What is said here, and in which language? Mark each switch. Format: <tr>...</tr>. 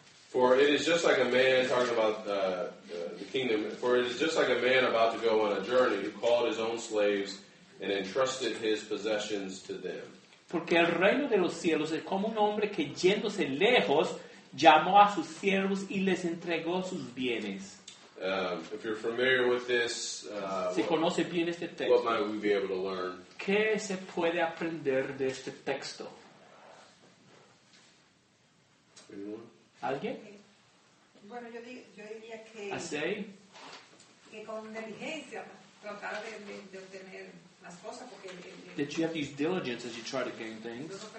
<en>For it is just like a man talking about the kingdom. For it is just like a man about to go on a journey who called his own slaves and entrusted his possessions to them.</en> <es>Porque el reino de los cielos es como un hombre que yéndose lejos llamó a sus siervos y les entregó sus bienes.</es> <en>If you're familiar with this,</en> <es>si conoce bien este texto,</es> <en>what might we be able to learn?</en> <es>¿Qué se puede aprender de este texto? ¿Alguien? Bueno, yo diría que con diligencia tratar de obtener las cosas porque</es> <en>that you have these diligence as you try to gain things.</en>